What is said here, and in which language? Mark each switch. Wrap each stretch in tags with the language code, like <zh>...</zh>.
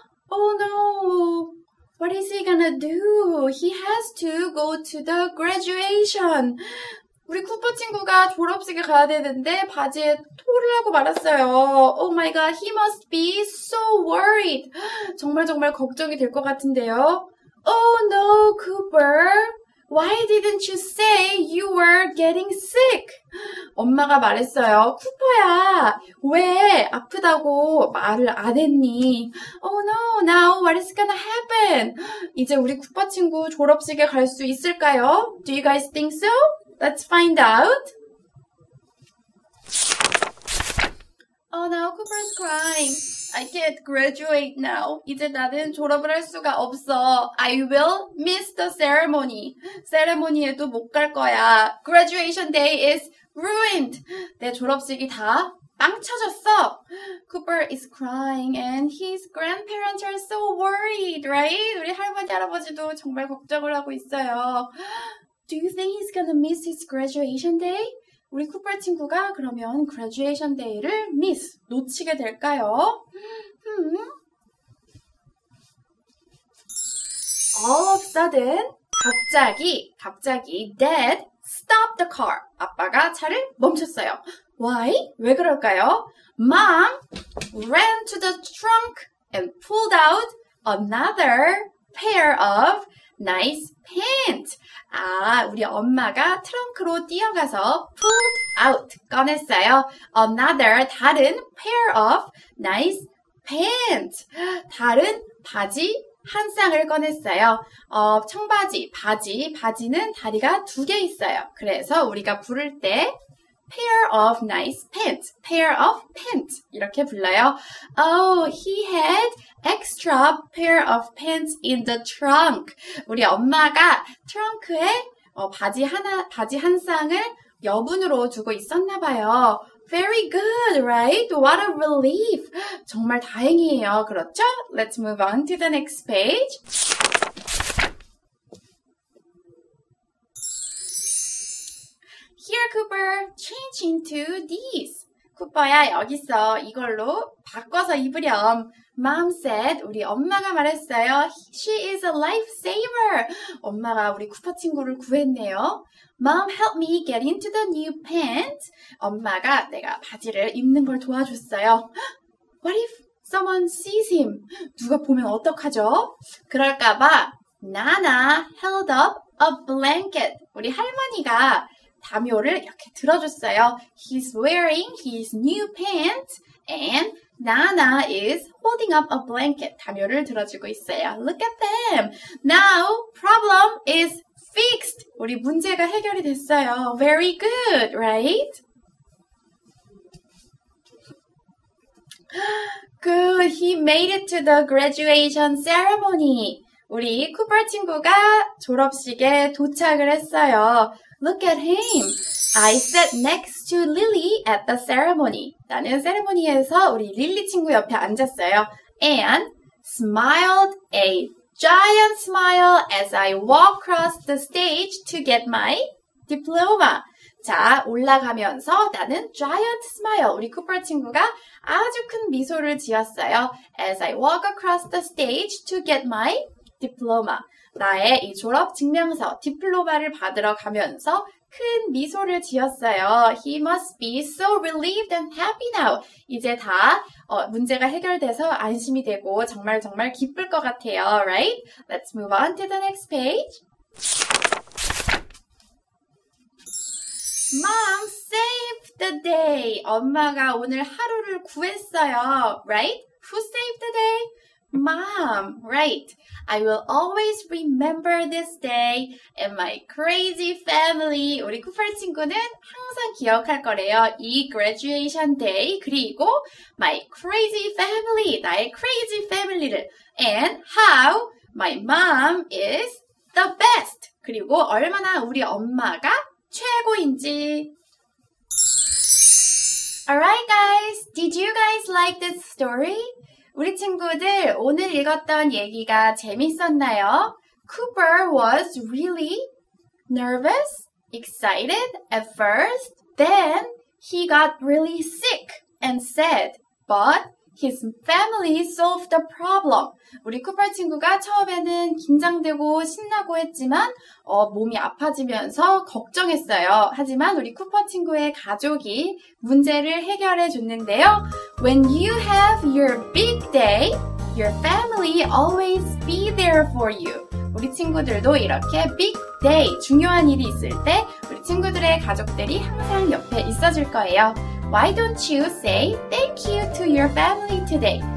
<en>Oh no. What is he gonna do? He has to go to the graduation.</en> <ko>우리 쿠퍼 친구가 졸업식에 가야 되는데 바지에 토를 하고 말았어요.</ko> <en>Oh my god, he must be so worried.</en> <ko>정말 정말 걱정이 될 것 같은데요.</ko> <en>Oh no, Cooper. Why didn't you say you were getting sick?</en> <ko>엄마가 말했어요. 쿠퍼야, 왜 아프다고 말을 안 했니?</ko> <en>Oh no, now what is gonna happen?</en> <ko>이제 우리 쿠퍼 친구 졸업식에 갈 수 있을까요?</ko> <en>Do you guys think so? Let's find out. Oh no, Cooper's crying. I can't graduate now.</en> <ko>이제 나는 졸업을 할 수가 없어.</ko> <en>I will miss the ceremony.</en> <ko>세레모니에도 못 갈 거야.</ko> <en>Graduation day is ruined.</en> <ko>내 졸업식이 다 빵 쳐졌어.</ko> <en>Cooper is crying and his grandparents are so worried, right?</en> <ko>우리 할머니, 할아버지도 정말 걱정을 하고 있어요.</ko> <en>Do you think he's gonna miss his graduation day?</en> <ko>우리 쿠퍼 친구가 그러면 graduation day를 miss, 놓치게 될까요?</ko> <en>All of a sudden, 갑자기 dad stopped the car.</en> <ko>아빠가 차를 멈췄어요. Why? 왜 그럴까요?</ko> <en>Mom ran to the trunk and pulled out another pair of nice pants.</en> <ko>아, 우리 엄마가 트렁크로 뛰어가서</ko> <en>pulled out,</en> <ko>꺼냈어요.</ko> <en>Another, 다른 pair of nice pants.</en> <ko>다른 바지 한 쌍을 꺼냈어요. 청바지는 다리가 두 개 있어요. 그래서 우리가 부를 때</ko> <en>pair of nice pants, pair of pants</en> <ko>이렇게 불러요.</ko> <en>Oh, he had extra pair of pants in the trunk.</en> <ko>우리 엄마가 트렁크에 바지 한 쌍을 여분으로 두고 있었나 봐요.</ko> <en>Very good, right? What a relief.</en> <ko>정말 다행이에요. 그렇죠?</ko> <en>Let's move on to the next page. Here, Cooper, change into these.</en> <ko>쿠퍼야, 여기서 이걸로 바꿔서 입으렴.</ko> <en>Mom said,</en> <ko>우리 엄마가 말했어요.</ko> <en>She is a lifesaver.</en> <ko>엄마가 우리 쿠퍼 친구를 구했네요.</ko> <en>Mom helped me get into the new pants.</en> <ko>엄마가 내가 바지를 입는 걸 도와줬어요.</ko> <en>What if someone sees him?</en> <ko>누가 보면 어떡하죠?</ko> <en>그럴까봐 Nana held up a blanket.</en> <ko>우리 할머니가 담요를 이렇게 들어줬어요.</ko> <en>He's wearing his new pants and Nana is holding up a blanket.</en> <ko>담요를 들어주고 있어요.</ko> <en>Look at them. Now, problem is fixed.</en> <ko>우리 문제가 해결이 됐어요.</ko> <en>Very good, right? Good. He made it to the graduation ceremony.</en> <ko>우리 쿠퍼 친구가 졸업식에 도착을 했어요.</ko> <en>Look at him. I sat next to Lily at the ceremony.</en> <ko>나는 세레모니에서 우리 릴리 친구 옆에 앉았어요.</ko> <en>And smiled a giant smile as I walked across the stage to get my diploma.</en> <ko>자, 올라가면서 나는</ko> <en>giant smile.</en> <ko>우리 쿠퍼 친구가 아주 큰 미소를 지었어요.</ko> <en>As I walked across the stage to get my diploma.</en> <ko>나의 이 졸업 증명서, 디플로마를 받으러 가면서 큰 미소를 지었어요.</ko> <en>He must be so relieved and happy now.</en> <ko>이제 다 문제가 해결돼서 안심이 되고 정말 정말 기쁠 것 같아요.</ko> <en>Right? Let's move on to the next page. Mom saved the day.</en> <ko>엄마가 오늘 하루를 구했어요.</ko> <en>Right? Who saved the day? Mom, right. I will always remember this day and my crazy family.</en> <ko>우리 쿠퍼 친구는 항상 기억할 거래요.</ko> <en>이 graduation day, 그리고 my crazy family, 나의 crazy family를. And how my mom is the best.</en> <ko>그리고 얼마나 우리 엄마가 최고인지.</ko> <en>Alright guys, did you guys like this story?</en> <ko>우리 친구들, 오늘 읽었던 얘기가 재밌었나요?</ko> <en>Cooper was really nervous, excited at first. Then he got really sick and sad. But his family solved the problem.</en> <ko>우리 쿠퍼 친구가 처음에는 긴장되고 신나고 했지만 몸이 아파지면서 걱정했어요. 하지만 우리 쿠퍼 친구의 가족이 문제를 해결해 줬는데요.</ko> <en>When you have your big day, Your family always be there for you.</en> <ko>우리 친구들도 이렇게 big day, 중요한 일이 있을 때 우리 친구들의 가족들이 항상 옆에 있어줄 거예요.</ko> <en>Why don't you say thank you to your family today?</en>